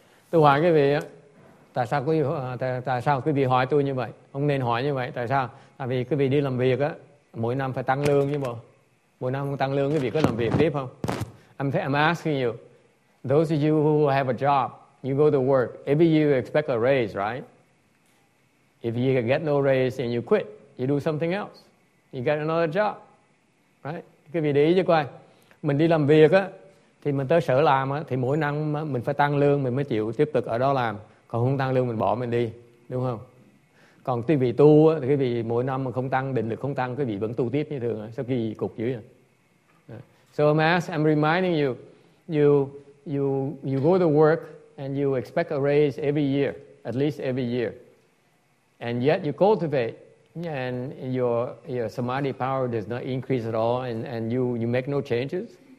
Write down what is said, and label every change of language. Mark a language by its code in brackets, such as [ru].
[vi] Tôi hỏi quý vị, tại sao quý vị hỏi tôi như vậy? Không nên hỏi như vậy. Tại sao? Tại vì quý vị đi làm việc á, mỗi năm phải tăng lương chứ bộ. Mỗi năm không tăng lương, quý vị có làm việc tiếp không? [en] I'm asking you. Those of you who have a job, you go to work, every year you expect a raise, right? If you get no raise and you quit, you do something else. You get another job, right? [vi] Quý vị để ý cho coi. Mình đi làm việc á, thì mình tới sở làm á, thì mỗi năm mình phải tăng lương, mình mới chịu tiếp tục ở đó làm. Còn không tăng lương, mình bỏ mình đi, đúng không? Còn quý vị tu á, thì quý vị mỗi năm mà không tăng, định lực không tăng, quý vị vẫn tu tiếp như thường á. Sao kỳ cục dữ vậy? [en] So Mass, I'm reminding you, you go to work and you expect a raise every year, at least every year. And yet you cultivate and your samadhi power does not increase at all and you make no changes.